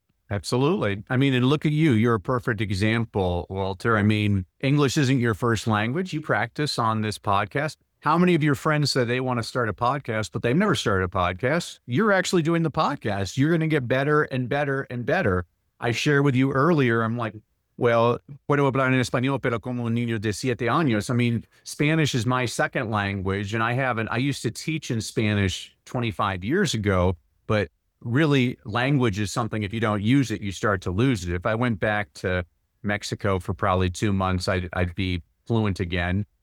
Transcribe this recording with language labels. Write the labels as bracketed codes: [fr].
[en] Absolutely. I mean, and look at you. You're a perfect example, Walter. I mean, English isn't your first language. You practice on this podcast. How many of your friends say they want to start a podcast, but they've never started a podcast? You're actually doing the podcast. You're going to get better and better and better. I share with you earlier, I'm like, [es] Well, puedo hablar en español, pero como un niño de siete años. [en] I mean, Spanish is my second language, and I used to teach in Spanish 25 years ago, but really language is something, if you don't use it, you start to lose it. If I went back to Mexico for probably 2 months, I'd be fluent again.